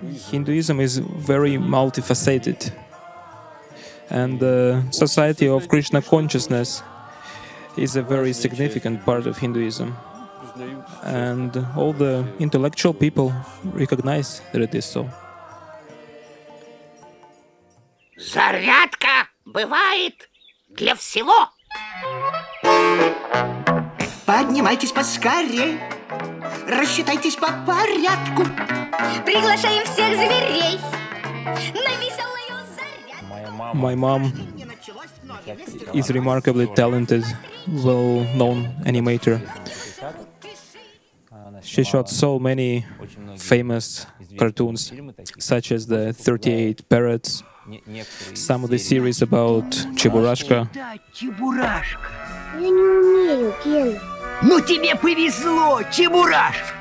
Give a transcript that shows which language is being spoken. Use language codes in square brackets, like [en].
[en] Hinduism is very multifaceted, and the society of Krishna consciousness is a very significant part of Hinduism, and all the intellectual people recognize that it is so. [ru] Зарядка бывает для всего. Поднимайтесь поскорей, рассчитайтесь по порядку. Приглашаем всех зверей на веселую зарядку. [en] My mom is remarkably talented, well-known animator. She shot so many famous cartoons, such as the 38 Parrots, some of the series about Чебурашка. [ru] Я не умею, Ген. Ну тебе повезло, Чебураш.